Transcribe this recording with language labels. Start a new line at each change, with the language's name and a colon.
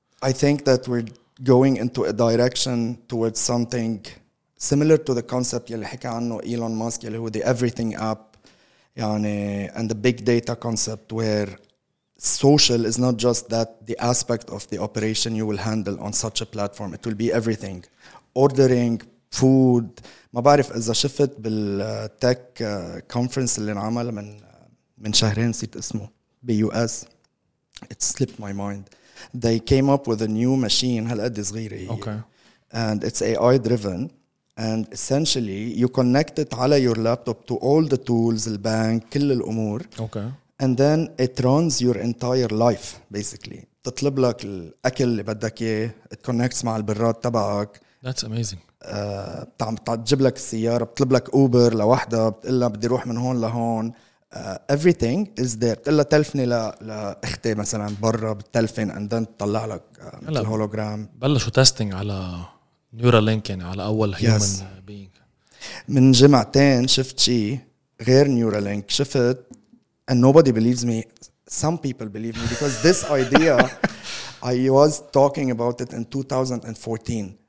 English: I think that we're going into a direction towards something similar to the concept
Arabic: يلي حكى عنه
English: Elon Musk
Arabic: يلي هو
English: the everything app
Arabic: يعني
English: and the big data concept where social is not just that the aspect of the operation you will handle on such a platform. It will be everything. Ordering, food.
Arabic: ما بعرف إذا شفت بالتك conference اللي نعمل من شهرين نسيت اسمه بUS.
English: It slipped my mind. They came up with a new machine
Arabic: هالقد صغيرة.
English: Okay. And it's AI driven. And essentially you connect it
Arabic: على
English: your laptop to all the tools, the bank,
Arabic: كل الأمور.
English: Okay. And then it runs your entire life, basically.
Arabic: تطلب لك الأكل اللي بدك إيه.
English: It connects
Arabic: مع البراد تبعك.
English: That's amazing.
Arabic: تجيب لك السيارة. بتطلب لك أوبر لوحدة. بتقول لها بدي روح من هون لهون.
English: Everything is there.
Arabic: بتقول لها تلفني لأختي مثلا برا بتلفن.
English: And then
Arabic: تطلع لك مثل هولوغرام. بلشوا تستنج على نيورالينك يعني على أول human
English: yes. being.
Arabic: من جمعتين شفت شيء غير نيورالينك. شفت
English: And nobody believes me. Some people believe me because this idea, I was talking about it in 2014.